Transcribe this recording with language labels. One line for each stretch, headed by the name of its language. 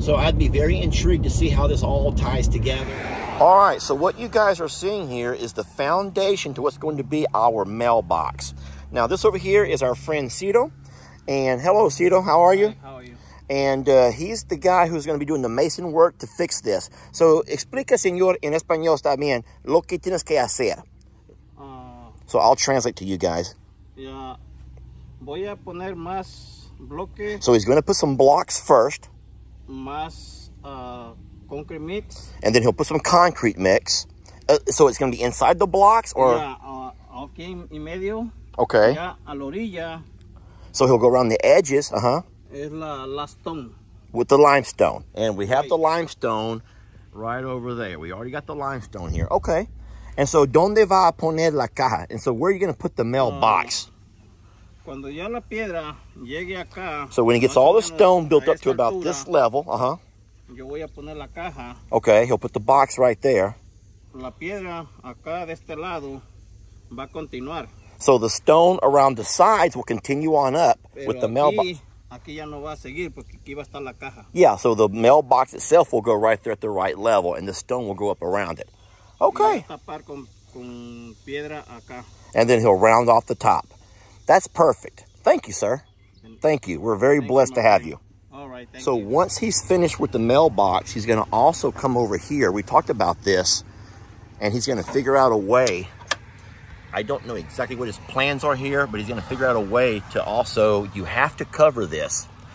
English: So I'd be very intrigued to see how this all ties together. All right, so what you guys are seeing here is the foundation to what's going to be our mailbox. Now, this over here is our friend Cito. And hello, Cito, how are you? Hi, how are you? And he's the guy who's going to be doing the mason work to fix this.
Spanish: So, explica, señor, en español está bien, lo que tienes que hacer.
English: So, I'll translate to you guys.
Spanish: Yeah, voy a poner más bloques.
English: So, he's going to put some blocks first.
Spanish: Más concrete mix.
English: And then he'll put some concrete mix. So, it's going to be inside the blocks, or?
Spanish: Yeah, okay, en medio.
English: Okay.
Spanish: Ya a la orilla.
English: So, he'll go around the edges, uh-huh. With the limestone. And we have the limestone right over there. We already got the limestone here. Okay.
Spanish: And so, ¿dónde va a poner la caja?
English: And so, where are you going to put the mailbox?
Spanish: Cuando ya la piedra llegue acá,
English: so, when he gets all the stone built up to about this level, uh-huh.
Spanish: Yo voy a poner la caja.
English: Okay, he'll put the box right there.
Spanish: La piedra acá de este lado va a continuar.
English: So, the stone around the sides will continue on up.
Spanish: Pero
English: with the mailbox.
Spanish: Aquí ya no va a seguir porque aquí va a estar la caja.
English: Yeah, so the mailbox itself will go right there at the right level and the stone will go up around it. Okay.
Spanish: Y va a tapar con piedra acá.
English: And then he'll round off the top. That's perfect. Thank you, sir. Thank you. We're very blessed to have you. All right, thank so you. So once he's finished with the mailbox, he's going to also come over here. We talked about this and he's going to figure out a way. I don't know exactly what his plans are here, but he's going to figure out a way to also, you have to cover this.